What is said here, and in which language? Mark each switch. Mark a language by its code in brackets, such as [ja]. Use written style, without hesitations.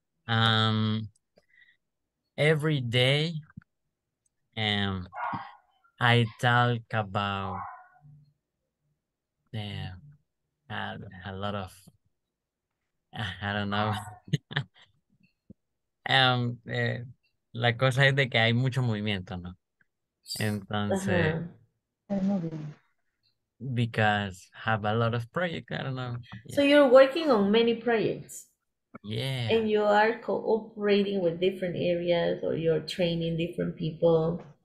[en] Every day, I talk about a lot of, I don't know. [es] la cosa es de que hay mucho movimiento, ¿no? [en] Entonces, because have a lot of projects, I don't know. So you're working on many projects. Yeah. And you are cooperating with different areas, or you're training different people.